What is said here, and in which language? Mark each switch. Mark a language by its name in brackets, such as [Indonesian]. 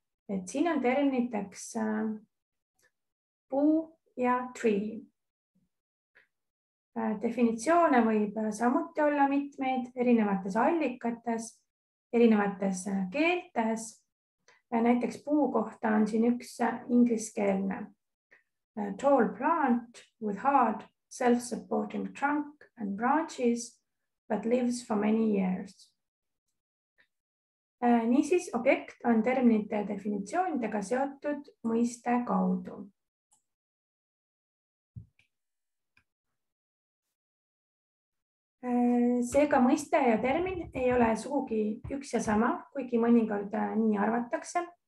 [Estonian] Et siin on terminiteks puu ja tree. Definitsioone võib samuti olla mitmeid erinevates allikates, erinevates keeltes. Ja näiteks puu kohta on siin üks ingliskeelne. [English] A tall plant with hard self-supporting trunk and branches that lives for many years. [Estonian] Nii siis objekt on terminite definitsioonidega seotud mõiste kaudu. Seega mõiste ja termin ei ole sugugi üks ja sama, kuigi mõningalt nii arvatakse.